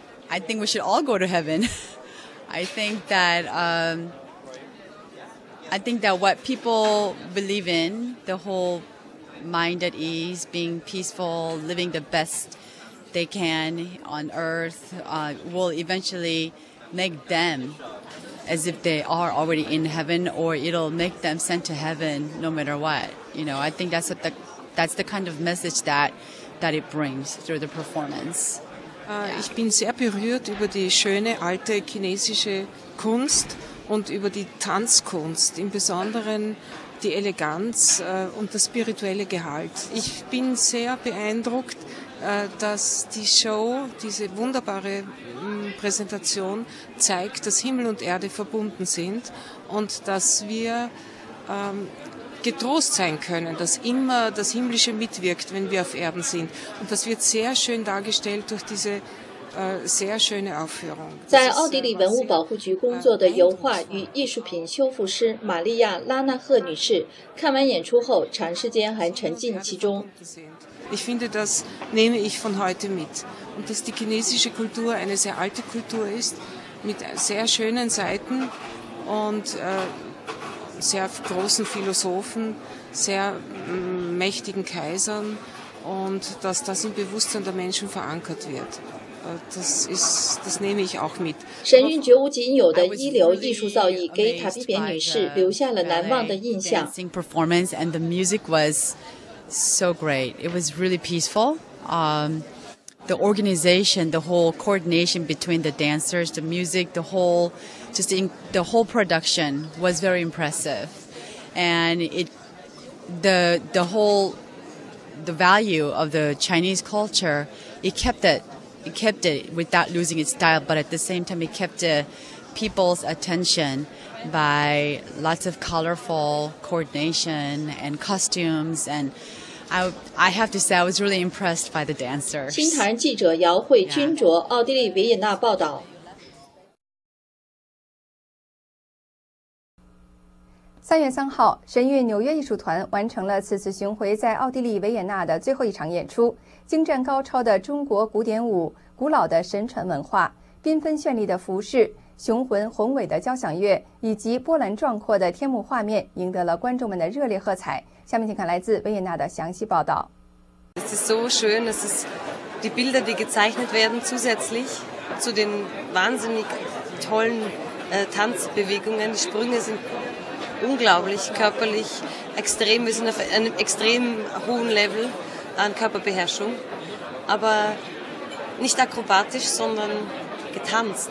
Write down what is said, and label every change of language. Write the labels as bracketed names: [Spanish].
[English] I think we should all go to heaven. I think that what people believe in, the whole mind at ease, being peaceful, living the best they can on earth, will eventually make them as if they are already in heaven, or it'll make them sent to heaven no matter what. You know, I think that's the kind of message that it brings through the performance. [German] Ich bin sehr berührt über die schöne alte chinesische Kunst und über die Tanzkunst, im Besonderen die Eleganz und das spirituelle Gehalt. Ich bin sehr beeindruckt, dass die Show, diese wunderbare Präsentation zeigt, dass Himmel und Erde verbunden sind und dass wir getrost sein können, dass immer das Himmlische mitwirkt, wenn wir auf Erden sind. Und das wird sehr schön dargestellt durch diese sehr schöne Aufführung. [Chinese] 在奥地利文物保护局工作的油画与艺术品修复师玛利亚·拉纳赫女士看完演出后，长时间还沉浸其中。 [German] Ich finde, das nehme ich von heute mit. Und dass die chinesische Kultur eine sehr alte Kultur ist, mit sehr schönen Seiten und sehr großen Philosophen, sehr mächtigen Kaisern und dass das im Bewusstsein der Menschen verankert wird. Das nehme ich auch mit. [Chinese] 神韵绝无仅有的一流艺术造诣给塔比别女士留下了难忘的印象。 [English] Dancing performance and the music was... So great. It was really peaceful. The organization, the whole coordination between the dancers, the music, the whole production was very impressive. And the value of the Chinese culture, it kept it without losing its style, but at the same time, it kept the people's attention. By lots of colorful coordination and costumes, and I have to say I was really impressed by the dancers. [Chinese] 新唐人记者姚慧君卓，奥地利维也纳报道。 3月3号，神韵纽约艺术团完成了此次巡回在奥地利维也纳的最后一场演出。精湛高超的中国古典舞、古老的神传文化、缤纷绚丽的服饰、雄浑宏伟的交响乐以及波澜壮阔的天幕画面，赢得了观众们的热烈喝彩。下面请看来自维也纳的详细报道。 [German] Es ist so schön, es ist die Bilder, die gezeichnet werden, zusätzlich zu den wahnsinnig tollen Tanzbewegungen. Die Sprünge sind unglaublich körperlich extrem. Wir sind auf einem extrem hohen Level an Körperbeherrschung, aber nicht akrobatisch, sondern getanzt.